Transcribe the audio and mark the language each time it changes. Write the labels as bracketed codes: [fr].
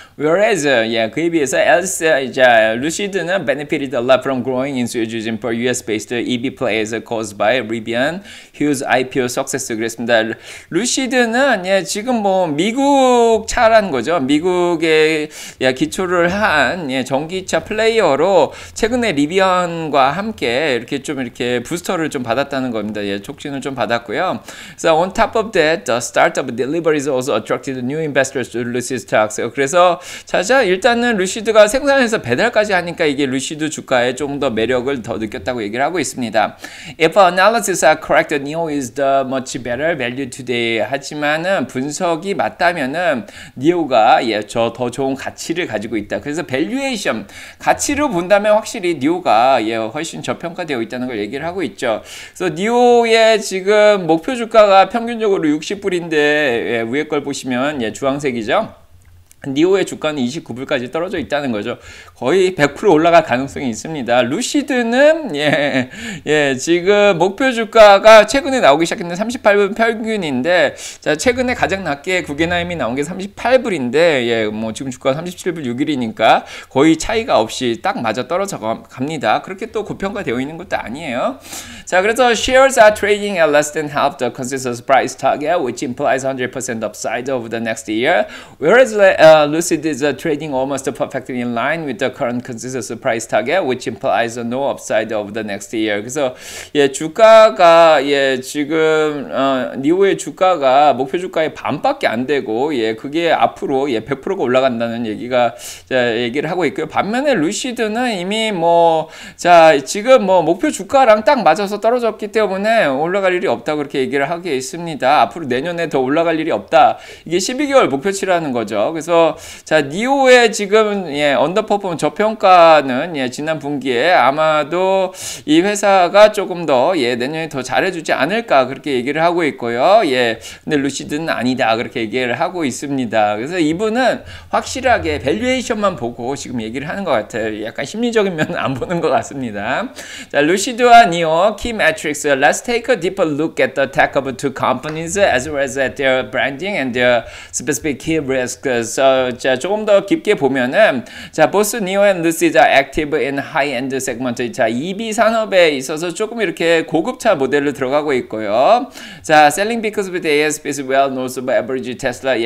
[en] Whereas [ko] 예 그에 비해서 [en] else [ko] 이제 루시드는 [en] benefited a lot from growing enthusiasm for U.S.-based EV players caused by Rivian Hughes IPO success [ko] 그랬습니다. 루시드는 예 지금 뭐 미국 차라는 거죠. 미국의 예, 기초를 한 예 전기차 플레이어로 최근에 리비언과 함께 이렇게 좀 이렇게 부스터를 좀 받았다는 겁니다. 예, 촉진을 좀 받았고요. [en] So on top of that, the startup deliveries also attracted new investors to Lucid stocks. [ko] 그래서 자자 일단은 루시드가 생산해서 배달까지 하니까 이게 루시드 주가에 좀 더 매력을 더 느꼈다고 얘기를 하고 있습니다. [en] If our analysis are correct, NIO is the much better value today. [ko] 하지만은 분석이 맞다면은 NIO가 예, 저 더 좋은 가치를 가지고 있다. 그래서 밸류에 가치로 본다면 확실히 NIO가 예, 훨씬 저평가되어 있다는 걸 얘기를 하고 있죠. 그래서 NIO의 지금 목표 주가가 평균적으로 60불인데 예, 위에 걸 보시면 예, 주황색이죠. 니오의 주가는 29불까지 떨어져 있다는 거죠. 거의 100% 올라갈 가능성이 있습니다. 루시드는 지금 목표 주가가 최근에 나오기 시작했는데 38불 평균인데, 자 최근에 가장 낮게 구겐하임이 나온 게 38불인데, 예뭐 지금 주가 37불 6일이니까 거의 차이가 없이 딱 맞아 떨어져 갑니다. 그렇게 또 고평가되어 있는 것도 아니에요. 자 그래서 [en] shares are trading at less than half the consensus price target, which implies 100% upside over the next year, whereas Lucid is trading almost perfectly in line with the current consensus price target, which implies no upside over the next year. [ko] 그래서 주가가 지금 니오의 주가가 목표 주가의 반밖에 안 되고, 그게 앞으로 100%가 올라간다는 얘기를 하고 있고요. 반면에 루시드는 이미 뭐자 지금 뭐 목표 주가랑 딱 맞아서 떨어졌기 때문에 올라갈 일이 없다 그렇게 얘기를 하고 있습니다. 앞으로 내년에 더 올라갈 일이 없다. 이게 12개월 목표치라는 거죠. 그래서 자 니오의 지금 언더퍼포먼스 저평가는 지난 분기에 아마도 이 회사가 조금 더 내년에 더 잘해주지 않을까 그렇게 얘기를 하고 있고요. 근데 루시드는 아니다 그렇게 얘기를 하고 있습니다. 그래서 이분은 확실하게 밸류에이션만 보고 지금 얘기를 하는 것 같아요. 약간 심리적인 면은 안 보는 것 같습니다. 자 루시드와 니오 키 매트릭스, [en] Let's take a deeper look at the tech of two companies as well as at their branding and their specific key risks. So, [ko] 자, 조금 더 깊게 보면은, 자, [en] both NIO and Lucid are active in high-end segment. [ko] 자, EV 산업에 있어서 조금 이렇게 고급차 모델로 들어가고 있고요. [en] 자, selling because of the ASP is well north of average Tesla.